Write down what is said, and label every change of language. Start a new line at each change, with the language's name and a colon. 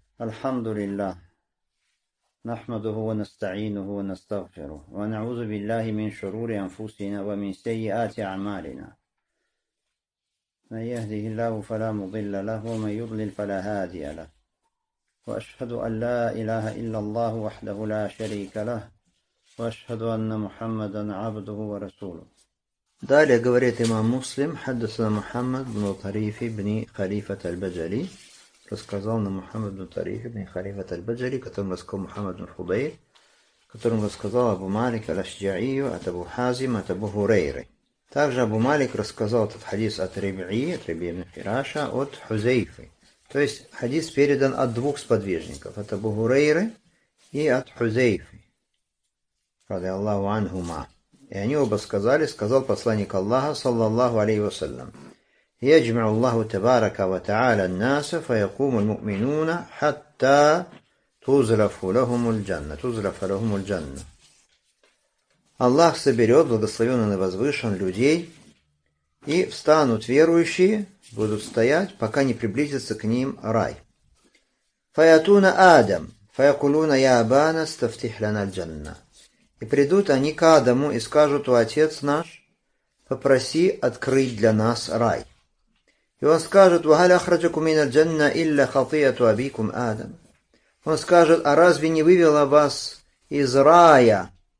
Arabic: الحمد لله نحمده ونستعينه ونستغفره ونعوذ بالله من شرور أنفسنا ومن سيئات أعمالنا، من يهده الله فلا مضل له ومن يضلل فلا هادي له، وأشهد أن لا إله إلا الله وحده لا شريك له، وأشهد أن محمدا عبده ورسوله. دالي قريت إمام مسلم حدثنا محمد بن طريف بن خليفة البجلي
Russian: рассказал нам Мухаммад бин Тариф ибн Халифат аль-Баджали, которым рассказал Мухаммад бин Худейр, которым рассказал Абу Малик аль-Ашджаию от Абу Хазима от Абу Хурейры. Также Абу Малик рассказал этот хадис от Риби'и, от Риби ибн Хираша, от Хузейфы. То есть хадис передан от двух сподвижников, от Абу Хурейры и от Хузейфы, ради Аллаху анхума. И они оба сказали, сказал посланник Аллаха, саллаллаху алейхи вассалям:
Arabic: يجمع الله تبارك وتعالى الناس فيقوم المؤمنون حتى تزلف لهم الجنة. تزلف لهم الجنة.
Russian: Аллах соберет, благословен и возвышен, людей, и встанут верующие, будут стоять, пока не приблизится к ним рай.
Arabic: فيأتون آدم فيقولون يا أبانا استفتح لنا الجنة.
Russian: И придут они к Адаму и скажут: «О отец наш, попроси открыть для нас рай». И он скажет:
Arabic: «Вахаля ахраджакум мин аль-джанна илля хатиату абикум Адам».
Russian: Он скажет: «А разве не вывело вас из рая?